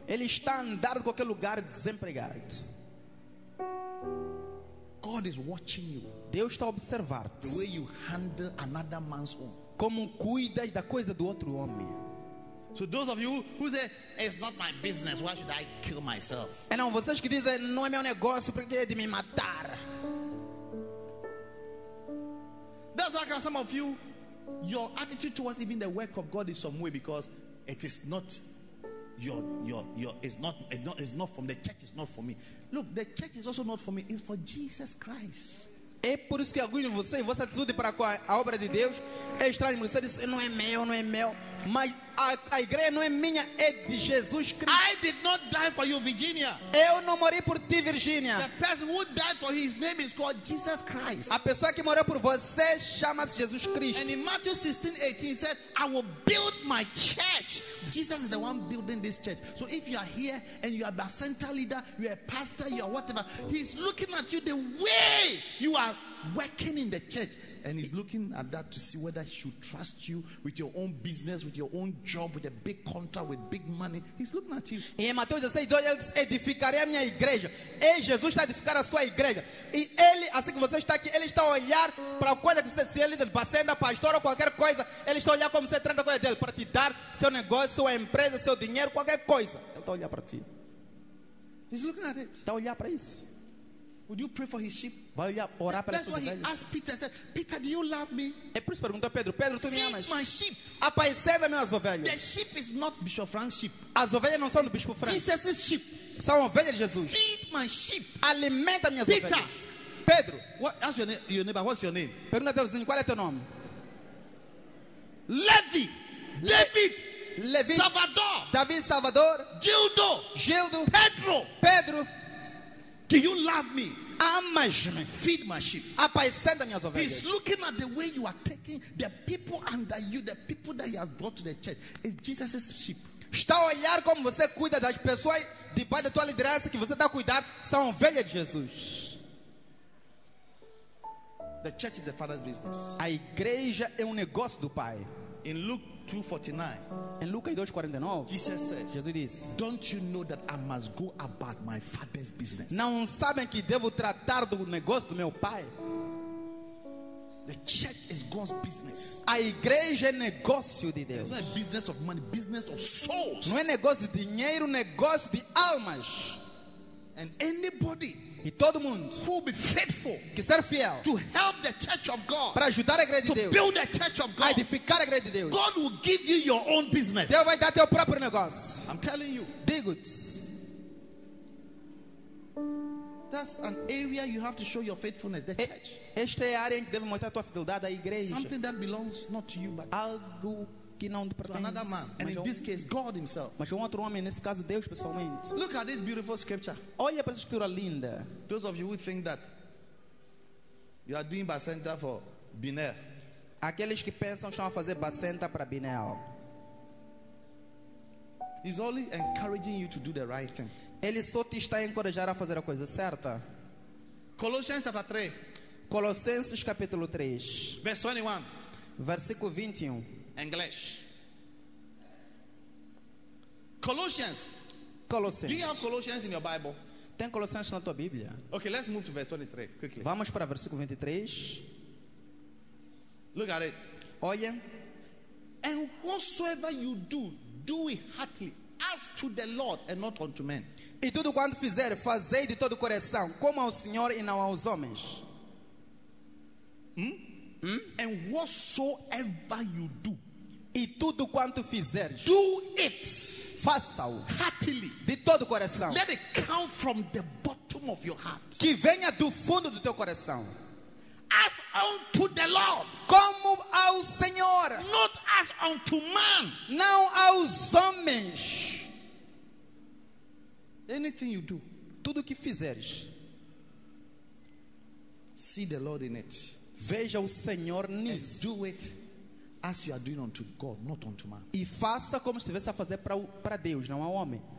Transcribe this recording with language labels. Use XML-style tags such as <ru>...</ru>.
<pt>Ele está andando em qualquer lugar desempregado.</pt> <en>God is watching you.</en> <pt>Deus está a observar-te.</pt> <en>The way you handle another man's home.</en> <pt>Como cuidas da coisa do outro homem.</pt> <en>So those of you who say it's not my business, why should I kill myself?</en> <pt>É não, vocês que dizem não é meu negócio, por que é de me matar?</pt> <en>That's why some of you, your attitude towards even the work of God is some way, because it is not your it's not from the church, it's not for me. Look, the church is also not for me, it's for Jesus Christ.</en> <pt>É por isso que alguns de vocês, vossa atitude para com a obra de Deus é estranho. Você diz, não é meu. Mas a igreja não é minha, é de Jesus Cristo.</pt> <en>I did not die for you, Virginia.</en> <pt>Eu não morri por ti, Virginia.</pt> <en>The person who died for his name is called Jesus Christ.</en> <pt>A pessoa que morreu por você chama-se Jesus Cristo.</pt> <en>And in Matthew 16:18, he said, I will build my church. Jesus is the one building this church. So if you are here and you are a center leader, you are a pastor, you are whatever, he's looking at you the way you are working in the church. And he's looking at that to see whether he should trust you with your own business, with your own job, with a big contract, with big money. He's looking at you.</en> <pt>Em Mateus 16:18, ele diz, edificarei a minha igreja. E Jesus está a edificar a sua igreja. E ele, assim que você está aqui, ele está a olhar para a coisa que você se é líder, bacenda, pastor ou qualquer coisa. Ele está a olhar como você trata a coisa dele, para te dar seu negócio, sua empresa, seu dinheiro, qualquer coisa. Ele está a olhar para ti.</pt> <en>He's looking at it.</en> <pt>Está a olhar para isso.</pt> <en>Would you pray for his sheep?</en> <pt>Vai orar para as suas ovelhas.</pt> <en>That's why he asked Peter. Said, Peter, do you love me?</en> <pt>É por isso perguntou Pedro. Pedro, tu me amas?</pt> <en>Feed my sheep.</en> <pt>Apacenta minhas ovelhas.</pt> <en>The sheep is not Bishop Frank's sheep.</en> <pt>As ovelhas não são do Bispo Frank.</pt> <en>Jesus' sheep.</en> <pt>São ovelhas de Jesus.</pt> <en>Feed my sheep.</en> <pt>Alimenta minhas</pt> <en>Peter.</en> <pt>Ovelhas.</pt> <en>Peter.</en> <pt>Pedro.</pt> <en>What? Ask your name. Your neighbor. What's your name?</en> <pt>Pergunta teu vizinho. Qual é teu nome? Levi. David. Levi. Salvador. David Salvador. Gildo. Gildo. Pedro. Pedro.</pt> <en>Do you love me?</en> <pt>Amas-me.</pt> <en>Feed my sheep.</en> <pt>Apacenta minhas ovelhas.</pt> <en>He's looking at the way you are taking the people under you, the people that he has brought to the church. It's Jesus' sheep.</en> <pt>Está a olhar como você cuida das pessoas debaixo da tua liderança que você está a cuidar, são ovelhas de Jesus.</pt> <en>The church is the Father's business.</en> <pt>A igreja é um negócio do Pai.</pt> <en>In Luke 2:49.</en> <pt>Em Lucas 2:49.</pt> <en>Jesus says.</en> <pt>Jesus diz.</pt> <en>Don't you know that I must go about my Father's business?</en> <pt>Não sabem que devo tratar do negócio do meu Pai?</pt> <en>The church is God's business.</en> <pt>A igreja é negócio de Deus.</pt> <en>It's not a business of money, business of souls.</en> <pt>Não é negócio de dinheiro, negócio de almas.</pt> <en>And anybody.</en> <pt>E todo mundo</pt> <en>who will be faithful,</en> <pt>que ser fiel,</pt> <en>to help the church of God,</en> <pt>para ajudar a igreja de Deus,</pt> <en>to build the church of God,</en> <pt>a edificar a igreja de Deus,</pt> <en>God will give you your own business.</en> <pt>Deus vai dar teu próprio negócio.</pt> <en>I'm telling you.</en> <pt>Digo.</pt> <en>That's an area you have to show your faithfulness. The church.</en> <pt>Esta é a área em que deve mostrar tua fidelidade à igreja.</pt> <en>Something that belongs not to you, but</en> <pt>algo que não te pertence.</pt> <en>Another man. And in this case, God himself.</en> <pt>Mas um outro homem, nesse caso, Deus pessoalmente.</pt> <en>Look at this beautiful scripture.</en> <pt>Olha para essa escritura linda.</pt> <en>Those of you who think that you are doing bacenta for Binel.</en> <pt>Aqueles que pensam que estão a fazer bacenta para Binel.</pt> <en>He's only encouraging you to do the right thing.</en> <pt>Ele só te está a encorajar a fazer a coisa certa.</pt> <en>Colossians chapter 3.</en> <pt>Colossenses capítulo 3.</pt> <en>Verse 21.</en> <pt>Versículo 21.</pt> <en>English. Colossians. Colossians. Do you have Colossians in your Bible?</en> <pt>Tem Colossians na tua Bíblia?</pt> <en>Okay, let's move to verse 23 quickly.</en> <pt>Vamos para versículo 23.</pt> <en>Look at it.</en> <pt>Olha.</pt> <en>And whatsoever you do, do it heartily, as to the Lord and not unto men.</en> <pt>E tudo quanto fizer, fazei de todo o coração, como ao Senhor e não aos homens.</pt> <en>And whatsoever you do,</en> <pt>e tudo quanto fizeres,</pt> <en>do it,</en> <pt>faça-o</pt> <en>heartily,</en> <pt>de todo o coração.</pt> <en>Let it come from the bottom of your heart.</en> <pt>Que venha do fundo do teu coração.</pt> <en>As unto the Lord,</en> <pt>como ao Senhor.</pt> <en>Not as unto man,</en> <pt>não aos homens.</pt> <en>Anything you do,</en> <pt>tudo que fizeres,</pt> <en>see the Lord in it.</en> <pt>Veja o Senhor nisso.</pt> <en>And do it as you are doing unto God, not unto man.</en> <pt>E faça como se estivesse a fazer para Deus, não ao homem.</pt>